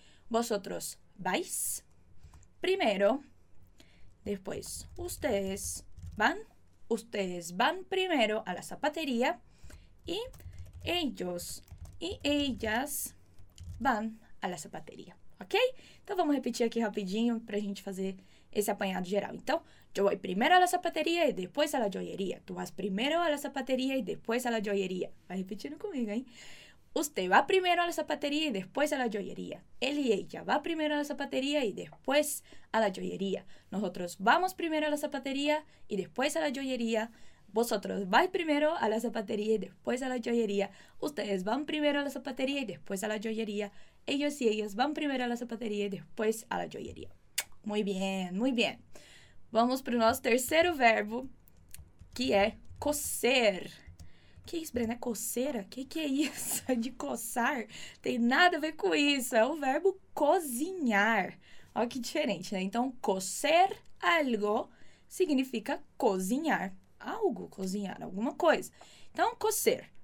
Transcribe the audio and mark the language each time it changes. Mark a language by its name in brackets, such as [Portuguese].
[Spanish] Vosotros vais primero, después ustedes van. Ustedes van primero a la zapatería y ellos y ellas van a la zapatería, ok? [Portuguese] Então, vamos repetir aqui rapidinho pra gente fazer esse apanhado geral. [Spanish] Então, yo voy primero a la zapatería y después a la joyería. Tú vas primero a la zapatería y después a la joyería. [Portuguese] Vai repetindo comigo, hein? [Spanish] Usted va primero a la zapatería y después a la joyería. Él y ella va primero a la zapatería y después a la joyería. Nosotros vamos primero a la zapatería y después a la joyería. Vosotros vais primero a la zapatería y después a la joyería. Ustedes van primero a la zapatería y después a la joyería. Ellos y ellas van primero a la zapatería y después a la joyería. Muy bien, muy bien. [Portuguese] Vamos para o nosso terceiro verbo, que é coser. Que isso, Brenda? É coceira? Que é isso de coçar? Tem nada a ver com isso. É o verbo cozinhar. Olha que diferente, né? Então, cocer algo significa cozinhar algo, cozinhar alguma coisa. Então, cocer.